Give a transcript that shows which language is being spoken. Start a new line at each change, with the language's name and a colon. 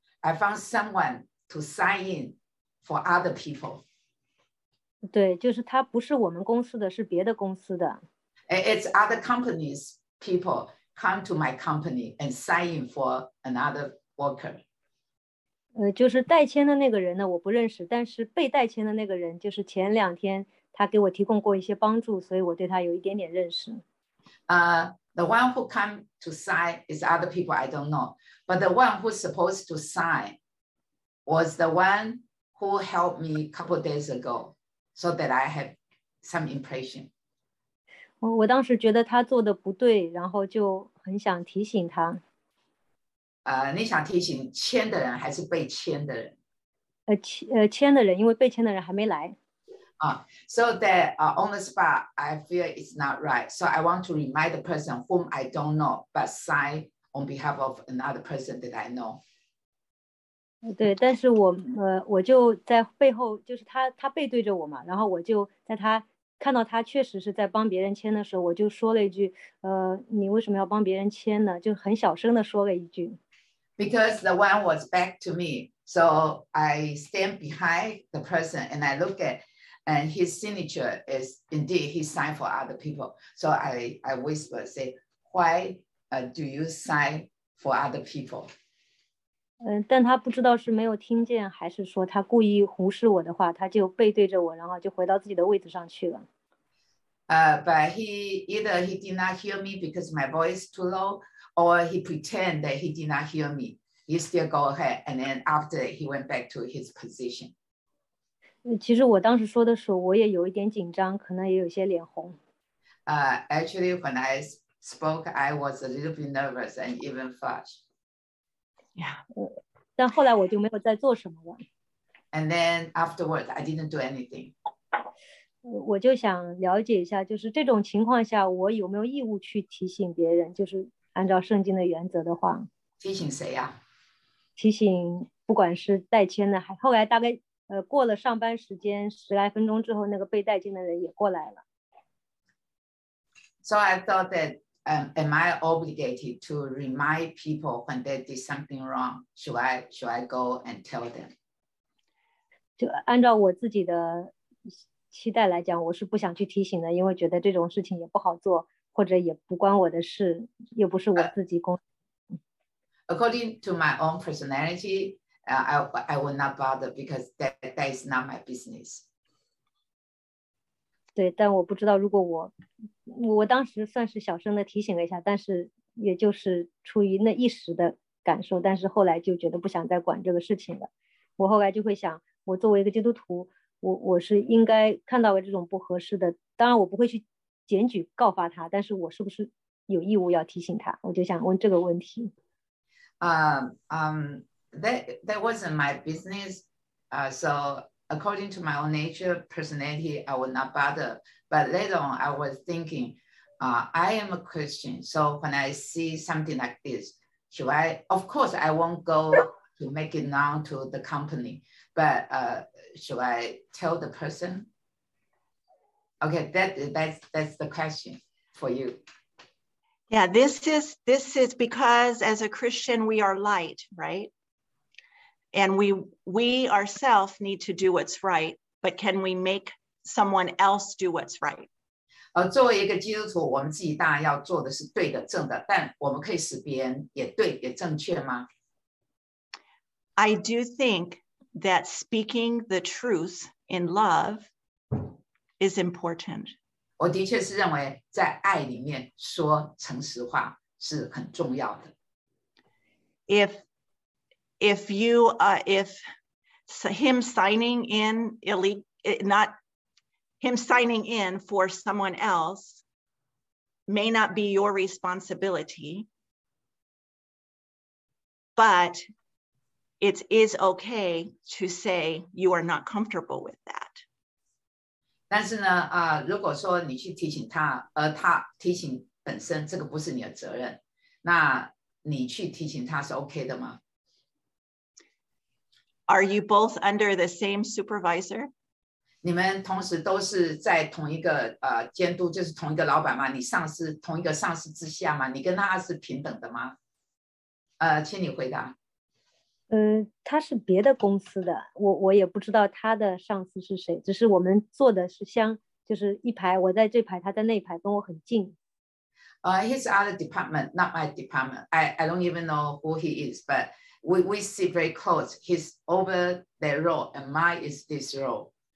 English: I found someone to sign in for other people.
Chinese: 对，就是他不是我们公司的，是别的公司的。
English: It's other companies' people come to my company and sign in for another worker.
Chinese: 就是代签的那个人呢，我不认识，但是被代签的那个人，就是前两天他给我提供过一些帮助，所以我对他有一点点认识。
English: The one who come to sign is other people I don't know. But the one who's supposed to sign was the one who helped me a couple days ago so that I have some impression.
Chinese: 我当时觉得他做的不对，然后就很想提醒他。你想提醒签的人还是被签的人？签的人，因为被签的人还没来。
English: So that on the spot, I feel it's not right. So I want to remind the person whom I don't know, but sign on behalf of another person that I know.
Chinese: 对，但是我就在背后，就是他背对着我嘛，然后我就在他看到他确实是在帮别人签的时候，我就说了一句，你为什么要帮别人签呢？就很小声的说了一句。
English: Because the one was back to me, so I stand behind the person and I look at. And his signature is indeed he signed for other people. So I whisper, say, why do you sign for other people?
Chinese: 但他不知道是没有听见，还是说他故意忽视我的话，他就背对着我，然后就回到自己的位置上去了。
English: But he did not hear me because my voice too low, or he pretend that he did not hear me. He still go ahead, and then after he went back to his position.
Chinese: 其实我当时说的时候，我也有一点紧张，可能也有些脸红。
English: actually, when I spoke, I was a little bit nervous and even flushed. Yeah.
Chinese: 但后来我就没有再做什么了。
English: And then afterwards, I didn't do anything.
Chinese: 我就想了解一下，就是这种情况下，我有没有义务去提醒别人，就是按照圣经的原则的话。提醒谁呀？提醒不管是代签的，后来大概过了上班时间十来分钟之后，那个被代签的人也过来了。
English: So I thought that, am I obligated to remind people when they did something wrong? Should I go and tell them?
Chinese: 就按照我自己的期待来讲，我是不想去提醒的，因为觉得这种事情也不好做，或者也不关我的事，又不是我自己工作。
English: According to my own personality, I will not bother because that is not my business.
Chinese: 对，但我不知道如果我当时算是小声的提醒了一下，但是也就是出于那一时的感受，但是后来就觉得不想再管这个事情了。我后来就会想，我作为一个基督徒，我是应该看到了这种不合适的，当然我不会去检举告发他，但是我是不是有义务要提醒他，我就想问这个问题。
English: That wasn't my business. So according to my own nature, personality, I would not bother. But later on, I was thinking, I am a Christian. So when I see something like this, of course, I won't go to make it known to the company, but should I tell the person? Okay, that's the question for you. Yeah, this is because as a Christian, we are light, right? And we ourselves need to do what's right, but can we make someone else do what's right?
Chinese: 作为一个基督徒，我们自己当然要做的是对的、正的，但我们可以使别人也对、也正确吗？
English: I do think that speaking the truth in love is important.
Chinese: 我的确是认为在爱里面说诚实话是很重要的。
English: If him signing in for someone else may not be your responsibility, but it is okay to say you are not comfortable with that.
Chinese: 但是呢，如果说你去提醒他，而他提醒本身这个不是你的责任，那你去提醒他是 OK 的吗
English: ？Are you both under the same supervisor？
Chinese: 你们同时都是在同一个监督，就是同一个老板吗？你上司同一个上司之下吗？你跟他是平等的吗？请你回答。他是别的公司的，我也不知道他的上司是谁，只是我们坐的是相，就是一排，我在这排，他在那排，跟我很近。
English: His other department, not my department. I don't even know who he is, but we sit very close. He's over that role, and mine is this role.